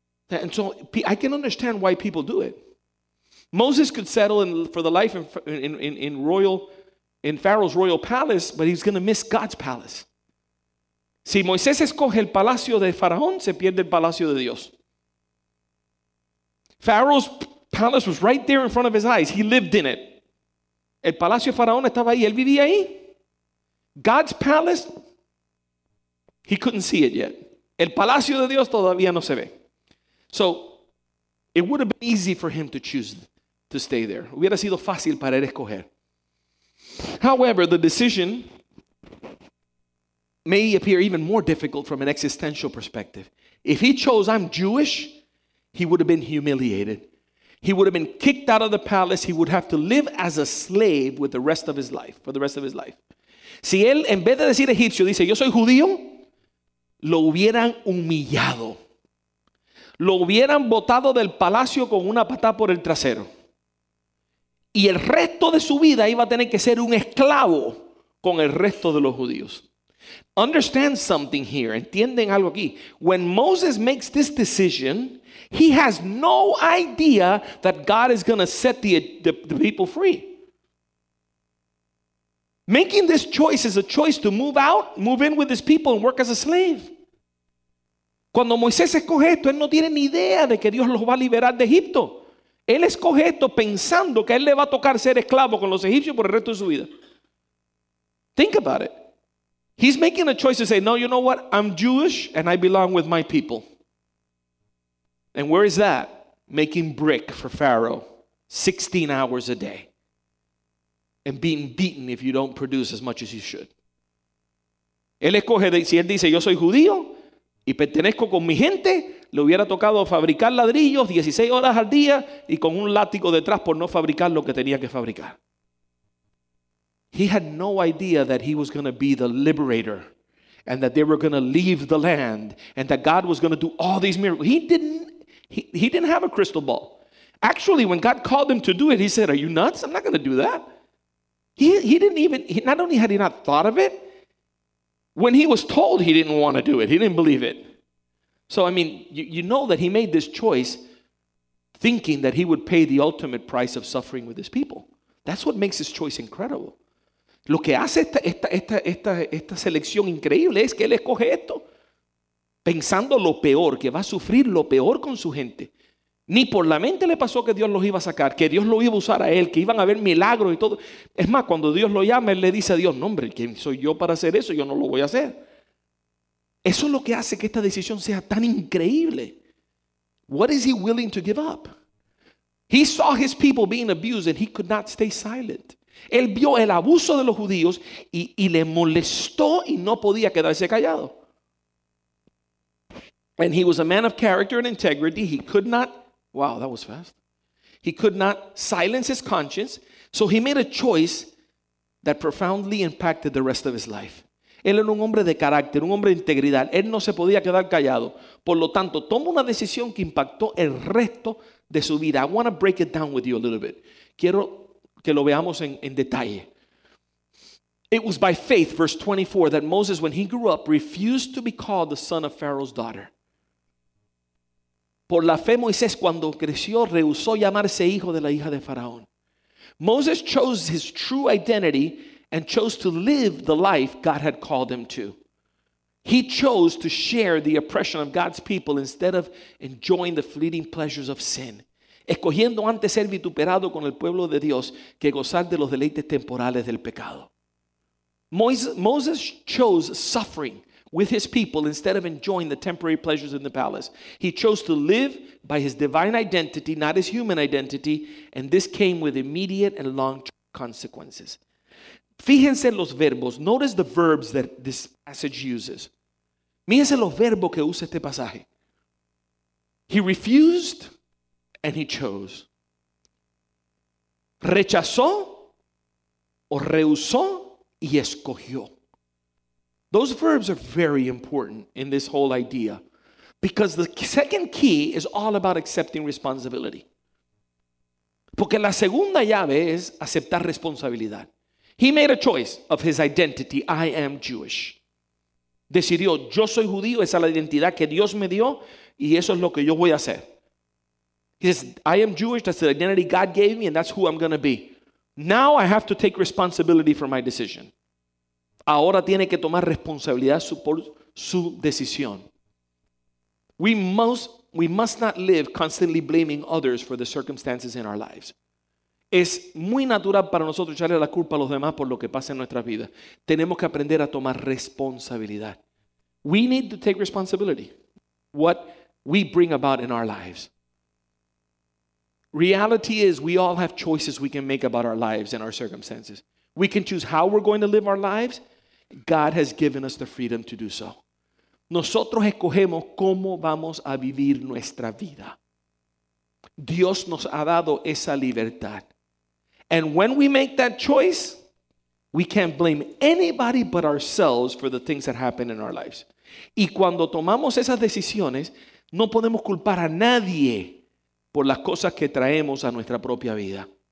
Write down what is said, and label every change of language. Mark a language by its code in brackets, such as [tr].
[en] And so I can understand why people do it. Moses could settle for the life in Pharaoh's royal palace, but he's going to miss God's palace. [es] Si Moisés escoge el palacio de Faraón, se pierde el palacio de Dios. [en] Pharaoh's palace was right there in front of his eyes. He lived in it. [es] El palacio de Faraón estaba ahí. Él vivía ahí. [en] God's palace, he couldn't see it yet. [es] El palacio de Dios todavía no se ve. [en] So, it would have been easy for him to choose to stay there. [es] Hubiera sido fácil para él escoger. [en] However, the decision may appear even more difficult from an existential perspective. If he chose, I'm Jewish, he would have been humiliated. He would have been kicked out of the palace. He would have to live as a slave with the rest of his life, for the rest of his life. [es] Si él, en vez de decir egipcio, dice, yo soy judío, lo hubieran humillado. Lo hubieran botado del palacio con una patada por el trasero. Y el resto de su vida iba a tener que ser un esclavo con el resto de los judíos. [en] Understand something here. [es] Entienden algo aquí. [en] When Moses makes this decision, he has no idea that God is going to set the people free. Making this choice is a choice to move out, move in with his people, and work as a slave. [es] Cuando Moisés escoge esto, él no tiene ni idea de que Dios los va a liberar de Egipto. Él escoge esto pensando que a él le va a tocar ser esclavo con los egipcios por el resto de su vida. [en] Think about it. He's making a choice to say, no, you know what? I'm Jewish and I belong with my people. And where is that? Making brick for Pharaoh 16 hours a day. And being beaten if you don't produce as much as you should. [es] Él escoge, si él dice, yo soy judío y pertenezco con mi gente, le hubiera tocado fabricar ladrillos 16 horas al día y con un látigo detrás por no fabricar lo que tenía que fabricar. [en] He had no idea that he was going to be the liberator and that they were going to leave the land and that God was going to do all these miracles. He didn't have a crystal ball. Actually, when God called him to do it, he said, are you nuts? I'm not going to do that. He not only had he not thought of it, when he was told he didn't want to do it, he didn't believe it. So, I mean, you know that he made this choice thinking that he would pay the ultimate price of suffering with his people. That's what makes his choice incredible. [es] Lo que hace esta selección increíble es que él escoge esto pensando lo peor, que va a sufrir lo peor con su gente. Ni por la mente le pasó que Dios los iba a sacar, que Dios lo iba a usar a él, que iban a ver milagros y todo. Es más, cuando Dios lo llama, él le dice a Dios, no hombre, ¿quién soy yo para hacer eso? Yo no lo voy a hacer. Eso es lo que hace que esta decisión sea tan increíble. [en] What is he willing to give up? He saw his people being abused and he could not stay silent. [es] Él vio el abuso de los judíos y le molestó y no podía quedarse callado. [en] And he was a man of character and integrity. He could not, wow, that was fast. He could not silence his conscience. So he made a choice that profoundly impacted the rest of his life. [es] Él era un hombre de carácter, un hombre de integridad. Él no se podía quedar callado. Por lo tanto, toma una decisión que impactó el resto de su vida. [en] I want to break it down with you a little bit. [es] Quiero que lo veamos en detalle. [en] It was by faith, verse 24, that Moses, when he grew up, refused to be called the son of Pharaoh's daughter. [es] Por la fe, Moisés, cuando creció, rehusó llamarse hijo de la hija de Faraón. [en] Moses chose his true identity and chose to live the life God had called him to. He chose to share the oppression of God's people instead of enjoying the fleeting pleasures of sin. [es] Escogiendo antes ser vituperado con el pueblo de Dios que gozar de los deleites temporales del pecado. [en] Moses chose suffering with his people instead of enjoying the temporary pleasures in the palace. He chose to live by his divine identity, not his human identity, and this came with immediate and long-term consequences. [es] Fíjense los verbos. [en] Notice the verbs that this passage uses. [es] Fíjense los verbos que usa este pasaje. [en] He refused and he chose. [es] Rechazó o rehusó y escogió. [en] Those verbs are very important in this whole idea, because the second key is all about accepting responsibility. [es] Porque la segunda llave es aceptar responsabilidad. [en] He made a choice of his identity. I am Jewish. [es] Decidió, yo soy judío, esa es la identidad que Dios me dio y eso es lo que yo voy a hacer. [en] He says, I am Jewish, that's the identity God gave me and that's who I'm going to be. Now I have to take responsibility for my decision. [es] Ahora tiene que tomar responsabilidad por su decisión. [en] We must not live constantly blaming others for the circumstances in our lives. [es] Es muy natural para nosotros echarle la culpa a los demás por lo que pasa en nuestras vidas. Tenemos que aprender a tomar responsabilidad. [en] We need to take responsibility. What we bring about in our lives. Reality is we all have choices we can make about our lives and our circumstances. We can choose how we're going to live our lives. God has given us the freedom to do so. [es] Nosotros escogemos cómo vamos a vivir nuestra vida. Dios nos ha dado esa libertad. [en] And when we make that choice, we can't blame anybody but ourselves for the things that happen in our lives. [es] Y cuando tomamos esas decisiones, no podemos culpar a nadie por las cosas que traemos a nuestra propia vida.